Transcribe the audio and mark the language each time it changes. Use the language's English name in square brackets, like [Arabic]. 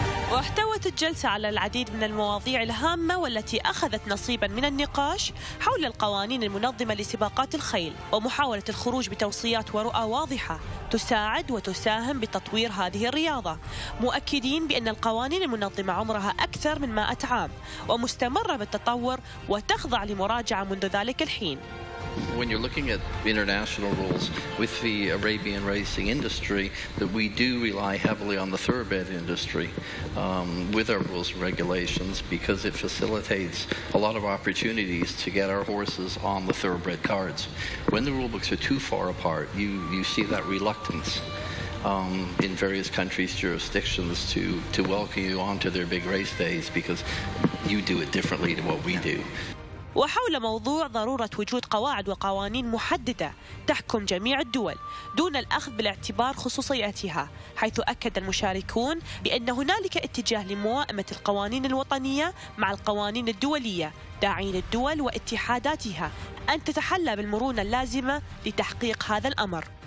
[Arabic] واحتوت الجلسة على العديد من المواضيع الهامة والتي أخذت نصيباً من النقاش حول القوانين المنظمة لسباقات الخيل ومحاولة الخروج بتوصيات ورؤى واضحة تساعد وتساهم بتطوير هذه الرياضة، مؤكدين بأن القوانين المنظمة عمرها أكثر من 100 عام ومستمرة بالتطور وتخضع لمراجعة منذ ذلك الحين. [English] When you're looking at international rules with the Arabian racing industry, that we do rely heavily on the thoroughbred industry with our rules and regulations because it facilitates a lot of opportunities to get our horses on the thoroughbred cards. When the rule books are too far apart, you see that reluctance in various countries' jurisdictions to welcome you onto their big race days because you do it differently to what we do. [Arabic] وحول موضوع ضرورة وجود قواعد وقوانين محددة تحكم جميع الدول دون الأخذ بالاعتبار خصوصيتها، حيث أكد المشاركون بأن هنالك اتجاه لموائمة القوانين الوطنية مع القوانين الدولية، داعين الدول واتحاداتها أن تتحلى بالمرونة اللازمة لتحقيق هذا الأمر.